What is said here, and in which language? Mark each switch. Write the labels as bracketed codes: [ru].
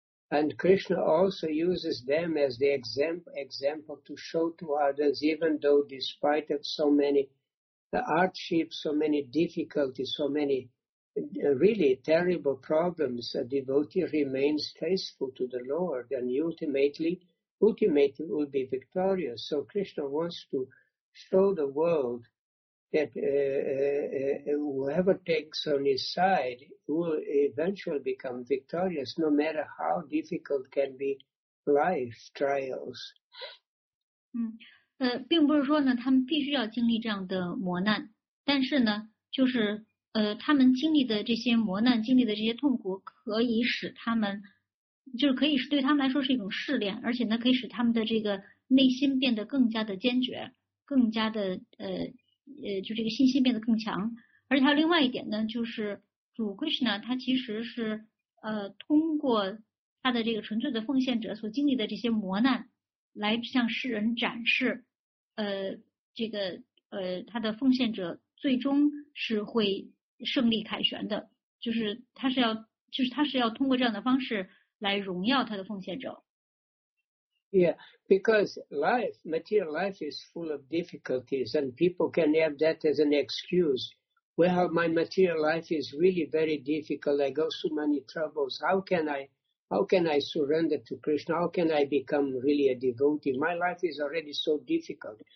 [en] And Krishna also uses them as the example to show to others, even though despite of so many hardships, so many difficulties, so many really terrible problems, a devotee remains faithful to the Lord and ultimately will be victorious. So Krishna wants to show the world that whoever takes on his side will eventually become victorious, no matter how difficult can be life trials. [zh] 并不是说呢，他们必须要经历这样的磨难，但是呢，就是他们经历的这些磨难，经历的这些痛苦，可以使他们，就是可以是对他们来说是一种试炼，而且呢，可以使他们的这个内心变得更加的坚决，更加的就这个信心变得更强。而且还有另外一点呢，就是主 Krishna 他其实是通过他的这个纯粹的奉献者所经历的这些磨难来向世人展示他的奉献者最终是会胜利凯旋的，就是他是要通过这样的方式来荣耀他的奉献者。 [en] Yeah, because life, material life is full of difficulties and people can have that as an excuse. Well, my material life is really very difficult. I go through many troubles. How can I surrender to Krishna? How can I become really a devotee? My life is already so difficult.